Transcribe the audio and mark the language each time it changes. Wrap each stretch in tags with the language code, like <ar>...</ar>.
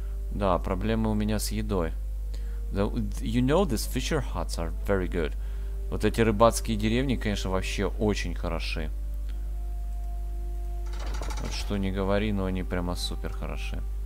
<ru>Да, проблемы у меня с едой.</ru> <en>The, you know, these fisher huts are very good.</en> <ru>Вот эти рыбацкие деревни, конечно, вообще очень хороши. Вот что ни говори, но они прямо супер хороши.</ru>